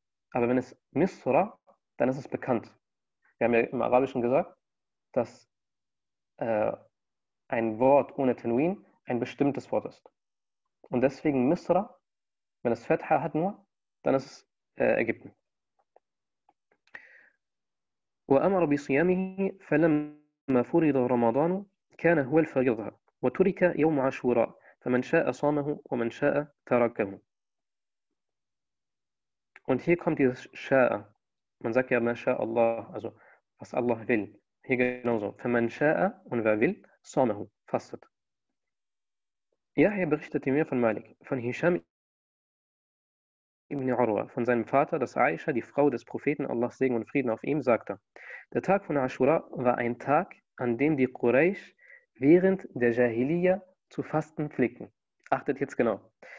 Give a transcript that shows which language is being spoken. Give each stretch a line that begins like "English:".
German: Aber wenn es Misra, dann ist es bekannt. Wir haben ja im Arabischen gesagt, dass ein Wort ohne Tanwin ein bestimmtes Wort ist. Und deswegen Misra. Wenn es Fetha hat nur, dann ist es Ägypten.
Arabic: وأمر بصيامه فلما فرض رمضان كان هو الفريضة وترك يوم عاشوراء فمن شاء صامه ومن شاء تركه.
German: Und hier kommt dieses شاء. Man sagt ja,
Arabic: ما شاء الله,
German: also was Allah will. Hier genauso.
Arabic: فمن شاء
German: und wer will, صامه, fastet. Yahya berichtete mir von Malik, von Hisham Ibn Urwa, von seinem Vater, dass Aisha, die Frau des Propheten, Allahs Segen und Frieden auf ihm, sagte: Der Tag von Ashura war ein Tag, an dem die Quraysh während der Jahiliyyah zu fasten pflegten. Achtet jetzt genau.